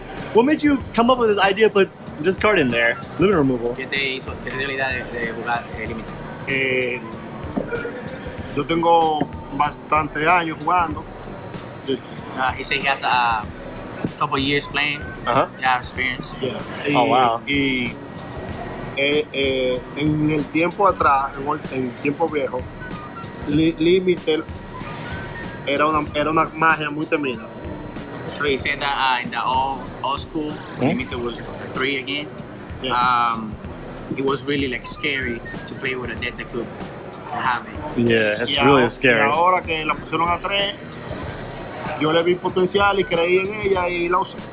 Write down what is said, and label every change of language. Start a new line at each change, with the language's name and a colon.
English: What made you come up with this idea to put this card in there? Limit removal.
Spanish: ¿Qué te hizo? ¿Qué te dio la idea de jugar el límite? Yo tengo bastante años jugando.
English: He said he has a couple of years playing. Uh-huh. Yeah, experience. Yeah. Oh, wow.
Spanish: En el tiempo atrás, en tiempo viejo, Limited era una magia muy temida.
English: So he said that in the old school, Limited was a three again. Yeah. It was really like scary to play with a deck that could have it. Yeah, that's really scary.
Spanish: Y ahora que la pusieron a tres, yo le vi potencial y creí en ella y la usé.